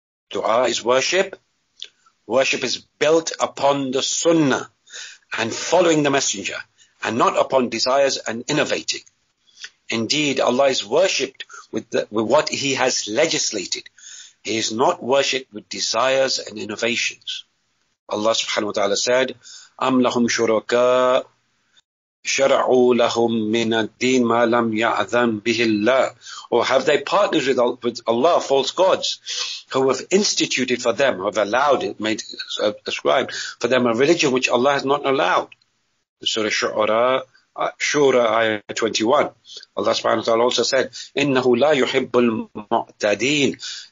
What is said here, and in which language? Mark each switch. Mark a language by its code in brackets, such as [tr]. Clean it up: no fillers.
[en] Dua is worship. Worship is built upon the sunnah and following the messenger, and not upon desires and innovating. Indeed, Allah is worshipped with what He has legislated. He is not worshipped with desires and innovations. Allah subhanahu wa ta'ala said, [ar] أَمْ لَهُمْ شُرَكَاءُ شَرَعُوا لَهُمْ مِنَ الدِّينِ مَا لَمْ يَعْذَمْ بِهِ اللَّهِ. [en] Or have they partners with Allah, false gods, who have instituted for them, who have allowed it, made ascribed for them a religion which Allah has not allowed? Surah Shu'ara, Shura, Ayah 21. Allah subhanahu wa ta'ala also said, [ar] إِنَّهُ لَا يُحِبُّ الْمُعْتَدِينَ.